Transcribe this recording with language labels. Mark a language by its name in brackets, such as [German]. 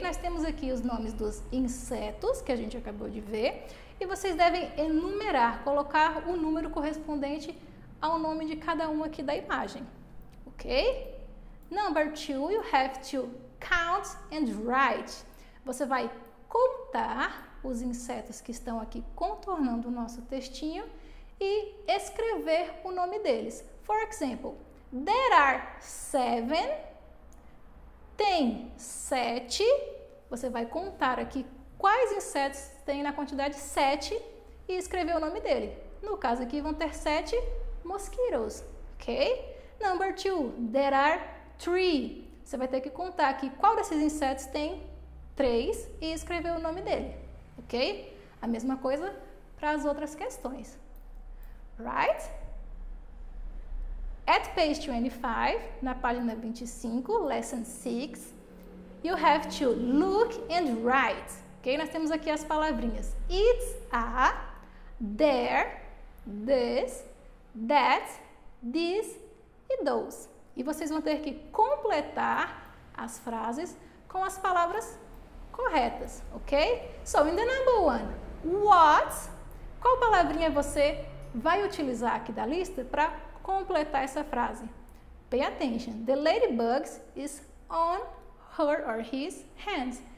[Portuguese] Nós temos aqui os nomes dos insetos que a gente acabou de ver e vocês devem enumerar, colocar o número correspondente ao nome de cada um aqui da imagem. Ok? [English] Number two, you have to count and write. [Portuguese] Você vai contar os insetos que estão aqui contornando o nosso textinho e escrever o nome deles. [English] For example, there are seven. [Portuguese] Tem sete. Você vai contar aqui quais insetos tem na quantidade sete e escrever o nome dele. No caso aqui, vão ter sete mosquitoes, ok? [English] Number two, there are three. [Portuguese] Você vai ter que contar aqui qual desses insetos tem três e escrever o nome dele, ok? A mesma coisa para as outras questões. [English] Right? At page 25, [Portuguese] na página 25, [English] lesson 6, you have to look and write. Ok? [Portuguese] Nós temos aqui as palavrinhas. It's a, there, this, that, this e those. E vocês vão ter que completar as frases com as palavras corretas, ok? [English] So, in the number one, what? [Portuguese] Qual palavrinha você vai utilizar aqui da lista para completar essa frase? [English] Pay attention. The ladybug is on her or his hands.